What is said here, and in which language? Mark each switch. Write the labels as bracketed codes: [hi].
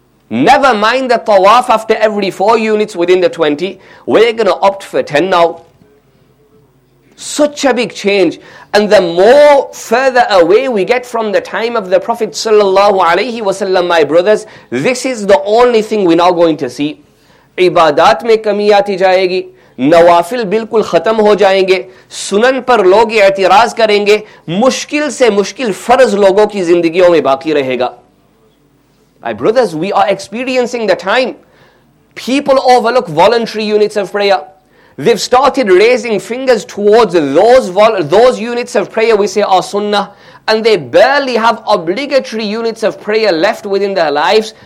[en] Never mind the tawaf after every 4 units within the 20, we're going to opt for 10 now. Such a big change. And the more further away we get from the time of the Prophet sallallahu alayhi wasallam, my brothers, this is the only thing we're now going to see. [ur] عبادت میں کمی آتی جائے گی، نوافل بالکل ختم ہو جائیں گے، سنن پر لوگ اعتراض کریں گے، مشکل سے مشکل فرض لوگوں کی زندگیوں میں باقی رہے گا۔ [en] My brothers, we are experiencing the time. People overlook voluntary units of prayer. They've started raising fingers towards those units of prayer we say are sunnah. And they barely have obligatory units of prayer left within their lives.